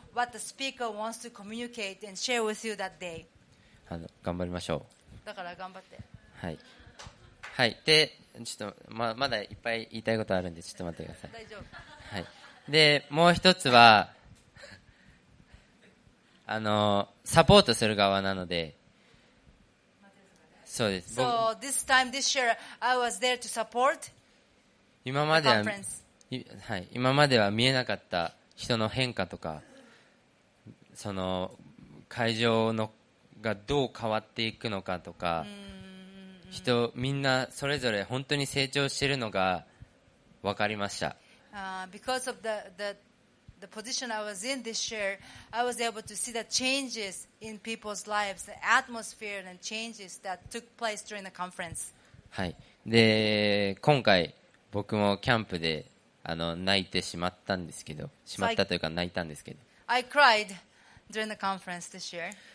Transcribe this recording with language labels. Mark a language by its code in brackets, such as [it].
[en] What the speaker wants to communicate and share with you that day. [ja] 頑張りましょう。だから頑張って。はい。はい。で、ちょっと まだいっぱい言いたいことあるんで、ちょっと待ってください。大丈夫。はい。で、もう一つは、あのサポートする側なので、そうです。 [en] So this time, this year, I was there to support. [ja] 今までは、はい、今までは見えなかった人の変化とか、その会場のがどう変わっていくのかとか、人みんなそれぞれ本当に成長しているのが分かりました。 [en] Because of the position I was in this year, I was able to see the changes in people's lives, the atmosphere and changes that took place during the conference. [ja] はい。で、今回僕もキャンプで泣いてしまったんですけど、しまったというか泣いたんですけど。 [en] So、I cried during the conference this year.